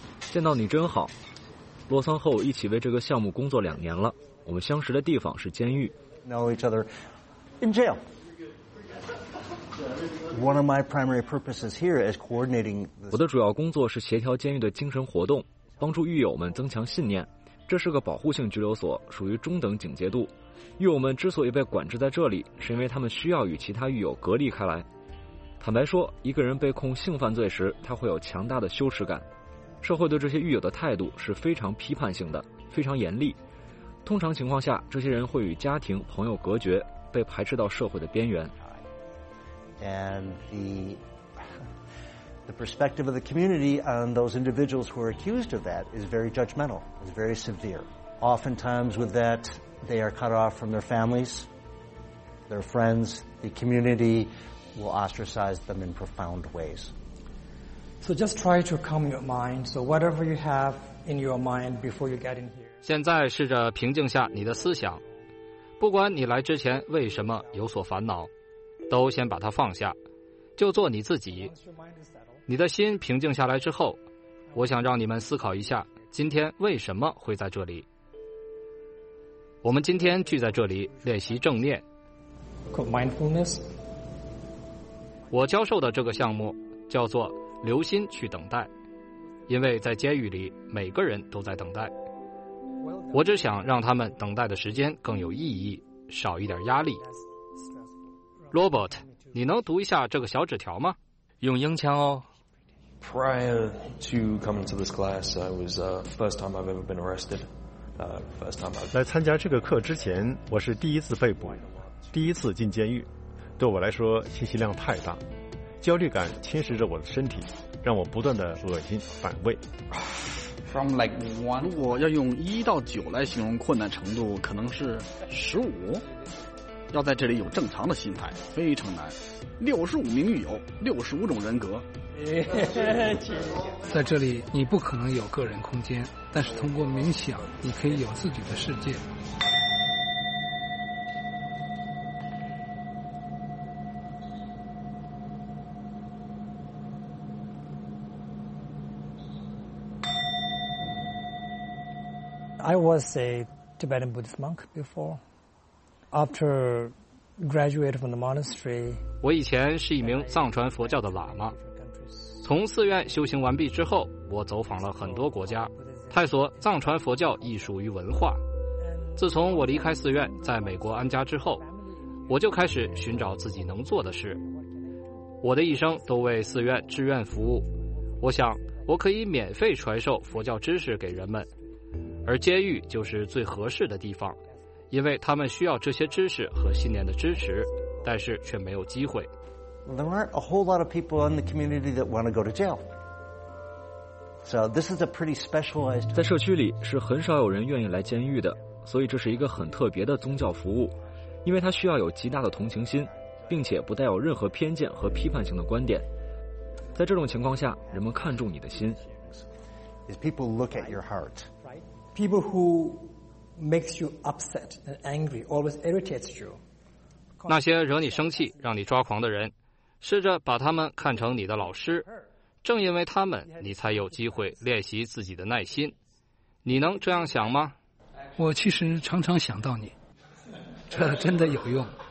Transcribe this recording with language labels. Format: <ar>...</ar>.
<zh>见到你真好。洛桑和我一起为这个项目工作两年了，我们相识的地方是监狱。</zh> <en>Know each other in jail. One of my primary purposes here is coordinating.</en> <zh>我的主要工作是协调监狱的精神活动，帮助狱友们增强信念。这是个保护性拘留所，属于中等警戒度。狱友们之所以被管制在这里，是因为他们需要与其他狱友隔离开来。坦白说，一个人被控性犯罪时，他会有强大的羞耻感。社会对这些狱友的态度是非常批判性的，非常严厉。通常情况下，这些人会与家庭、朋友隔绝，被排斥到社会的边缘。</zh> <en>And the perspective of the community on those individuals who are accused of that is very judgmental, is very severe. Oftentimes, with that, they are cut off from their families, their friends. The community will ostracize them in profound ways. So just try to calm your mind. So whatever you have in your mind before you get in here.</en> <zh>现在试着平静下你的思想，不管你来之前为什么有所烦恼，都先把它放下，就做你自己。你的心平静下来之后，我想让你们思考一下今天为什么会在这里。我们今天聚在这里练习正念。</zh> <en>Mindfulness。</en> <zh>我教授的这个项目叫做留心去等待，因为在监狱里每个人都在等待，我只想让他们等待的时间更有意义，少一点压力。 Robert， 你能读一下这个小纸条吗？用英腔哦。</zh> <en>Prior to coming to this class I was first time I've ever been arrested first time I've</en> <zh>来参加这个课之前，我是第一次被捕，第一次进监狱。对我来说信息量太大，焦虑感侵蚀着我的身体，让我不断的恶心反胃。</zh> <en>From like one，</en> <zh>我要用一到九来形容困难程度，可能是15。要在这里有正常的心态，非常难。 65名狱友，65种人格。在这里，你不可能有个人空间，但是通过冥想，你可以有自己的世界。</zh> <en>I was a Tibetan Buddhist monk before. After graduating from the monastery,</en> <zh>我以前是一名藏传佛教的喇嘛。从寺院修行完毕之后，我走访了很多国家，探索藏传佛教艺术与文化。自从我离开寺院，在美国安家之后，我就开始寻找自己能做的事。我的一生都为寺院志愿服务，我想我可以免费传授佛教知识给人们。而监狱就是最合适的地方，因为他们需要这些知识和信念的支持，但是却没有机会。</zh> <en>There aren't a whole lot of people in the community that want to go to jail. So this is a pretty specialized.</en> <zh>在社区里是很少有人愿意来监狱的，所以这是一个很特别的宗教服务，因为它需要有极大的同情心，并且不带有任何偏见和批判性的观点。在这种情况下，人们看重你的心。</zh> <en>Is people look at your heart. People who makes you upset and angry always irritates you.</en> <zh>那些惹你生气、让你抓狂的人，试着把他们看成你的老师。正因为他们，你才有机会练习自己的耐心。你能这样想吗？我其实常常想到你，这真的有用。</zh>